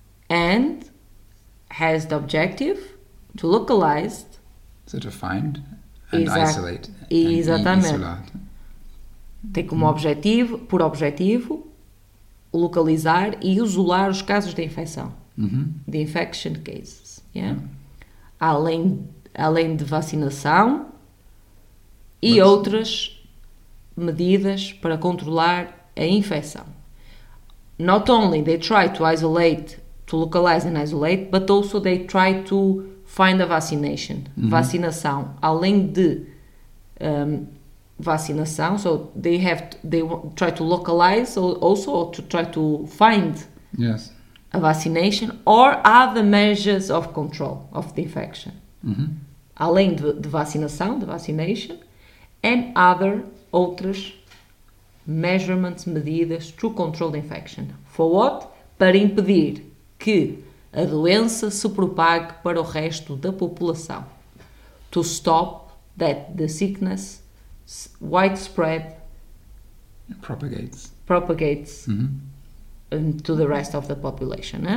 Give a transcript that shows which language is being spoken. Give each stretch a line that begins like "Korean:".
English: And has the objective to localize. So to find and isolate.
Portuguese: Exatamente. Tem como objetivo, localizar e isolar os casos de infecção. Uh-huh.
English: The infection cases. Yeah? Uh-huh.
Portuguese: Além de vacinação e outras medidas para controlar a infecção.
English: Not only they try to isolate, to localize and isolate, but also they try to find a vaccination. Uh-huh. Vacinação.
Portuguese: Além de vacinação,
English: so they have to, they try to localize also to try to find a vaccination or other measures of control of the infection. Mm-hmm.
Portuguese: Além de vacinação,
English: the vaccination, and outras measurements, medidas to control the infection. For what?
Portuguese: Para impedir que a doença se propague para o resto da população.
English: To stop that the sickness widespread propagates mm-hmm. to the rest of the population,